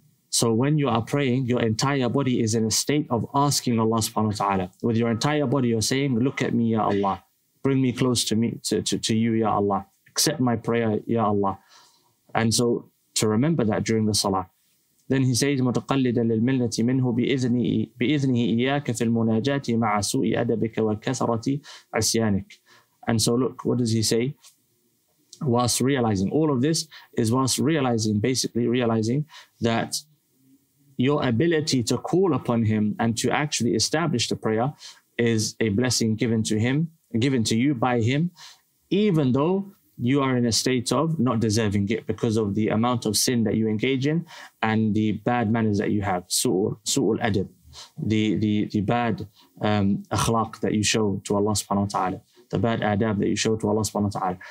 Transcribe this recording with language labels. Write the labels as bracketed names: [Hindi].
[English] So when you are praying, your entire body is in a state of asking Allah subhanahu wa ta'ala. With your entire body, you're saying, look at me, Ya Allah. Bring me close to me, to you, Ya Allah. Accept my prayer, Ya Allah. And so to remember that during the salah. Then he says, [Arabic] مَتَقَلِّدًا لِلْمِلَّةِ مِنْهُ بِإِذْنِهِ إِيَّاكَ فِي الْمُنَاجَاتِ مَعَ سُوءِ أَدَبِكَ وَكَثَرَةِ عَسْيَانِكَ. [English] And so look, what does he say? Whilst realizing, all of this is whilst realizing, basically realizing that your ability to call upon him and to actually establish the prayer is a blessing given to him, given to you by him, even though you are in a state of not deserving it because of the amount of sin that you engage in and the bad manners that you have, su'ul adab, the bad akhlaq that you show to Allah subhanahu wa ta'ala, the bad adab that you show to Allah subhanahu wa ta'ala.